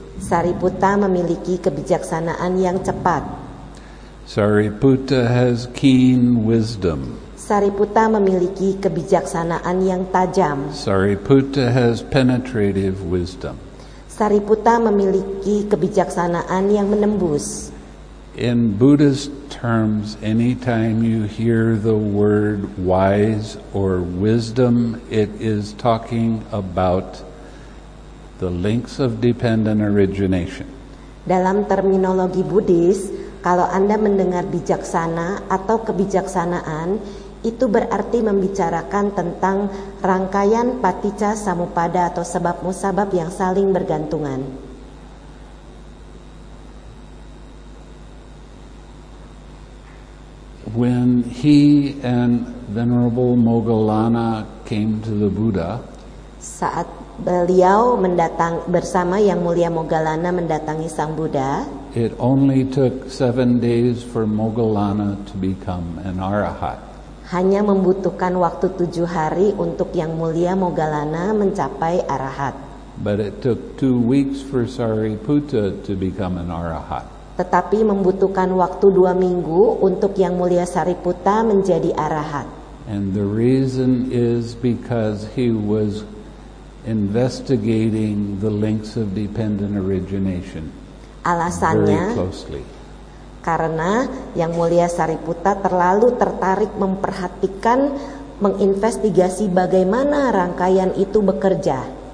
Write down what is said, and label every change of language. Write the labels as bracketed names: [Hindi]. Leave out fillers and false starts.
[Indonesian] Sariputta memiliki kebijaksanaan yang cepat. [English] Sariputta has keen wisdom. [Indonesian] Sariputta memiliki kebijaksanaan yang tajam. [English] Sariputta has penetrative wisdom. [Indonesian] Sariputta memiliki kebijaksanaan yang menembus. [English] In Buddhist terms, anytime you hear the word wise or wisdom, it is talking about the links of dependent origination. [Indonesian] Dalam terminologi Buddhis, kalau Anda mendengar bijaksana atau kebijaksanaan, itu berarti membicarakan tentang rangkaian paticca samuppada atau sebab musabab yang saling bergantungan. [English] When he and venerable Moggallana came to the Buddha, [Indonesian] saat beliau mendatang bersama yang mulia Moggallana mendatangi Sang Buddha, [English] it only took 7 days for Moggallana to become an arahat. [Indonesian] Hanya membutuhkan waktu 7 hari untuk yang mulia Moggallana mencapai arahat. [English] But it took 2 weeks for Sariputta to become an arahat. [Indonesian] Tetapi membutuhkan waktu 2 minggu untuk yang mulia Sariputta menjadi arahat. [English] And the reason is because he was investigating the links of dependent origination. [Indonesian] Alasannya [English] very closely. [Indonesian] Karena yang mulia Sariputta terlalu tertarik memperhatikan, menginvestigasi bagaimana rangkaian itu bekerja.